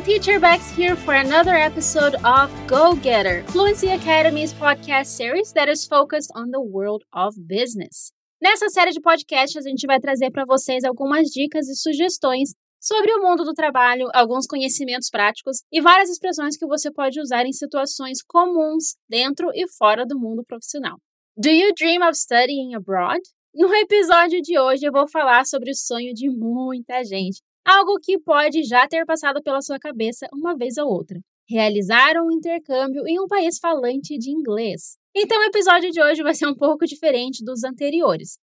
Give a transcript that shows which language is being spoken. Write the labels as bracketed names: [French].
[English] Teacher Bex here for another episode of Go Getter, Fluency Academy's podcast series that is focused on the world of business. [Portuguese] Nessa série de podcasts, a gente vai trazer para vocês algumas dicas e sugestões sobre o mundo do trabalho, alguns conhecimentos práticos e várias expressões que você pode usar em situações comuns dentro e fora do mundo profissional. [English] Do you dream of studying abroad? [Portuguese] No episódio de hoje, eu vou falar sobre o sonho de muita gente. Algo que pode já ter passado pela sua cabeça uma vez ou outra. Realizar um intercâmbio em um país falante de inglês. Então o episódio de hoje vai ser um pouco diferente dos anteriores.